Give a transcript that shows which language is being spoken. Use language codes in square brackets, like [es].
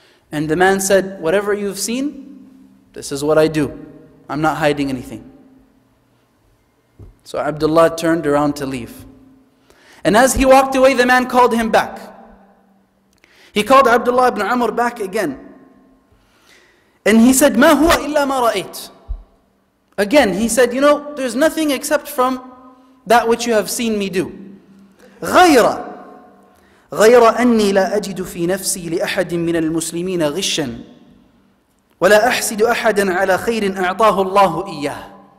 [en] And the man said, whatever you've seen, this is what I do. I'm not hiding anything. So Abdullah turned around to leave. And as he walked away, the man called him back. He called Abdullah ibn Amr back again. And he said, [ar] ما هو إلا ما رأيت. [en] Again, he said, you know, there's nothing except from that which you have seen me do. [ar] غَيْرَ غَيْرَ أَنِّي لَا أَجِدُ فِي نَفْسِي لِأَحَدٍ مِّنَ الْمُسْلِمِينَ غِشًّا وَلَا أَحْسِدُ أَحَدًا عَلَى خَيْرٍ أَعْطَاهُ اللَّهُ إِيَّهُ